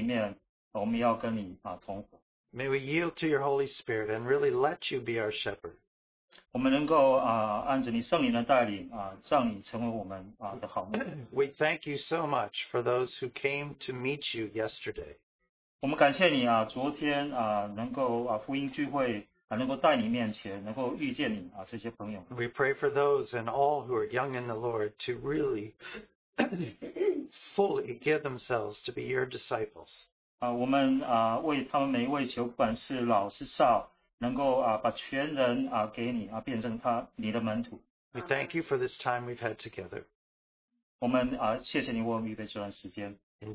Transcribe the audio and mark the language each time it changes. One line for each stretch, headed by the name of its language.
Chinese: 我们受到鼓励，你能够在这个生活里面触摸这些弟兄姊妹，我们也要在这个这一周里面，我们要跟你同活。
English: May we yield to your Holy Spirit and really let you be our shepherd.
Chinese: 我们能够按着你圣灵的带领，让你成为我们的好牧人。
English: We thank you so much for those who came to meet you yesterday.
Chinese: 我们感谢你，昨天能够福音聚会，能够带你面前，能够遇见你这些朋友。
English: We pray for those and all who are young in the Lord to really fully give themselves to be your disciples.
Chinese: 我们为他们每一位求，不管是老是少，能够把全人给你，变成你的门徒。
English: We thank you for this time we've had together.
Chinese: 我们谢谢你，我们预备这段时间。
English: In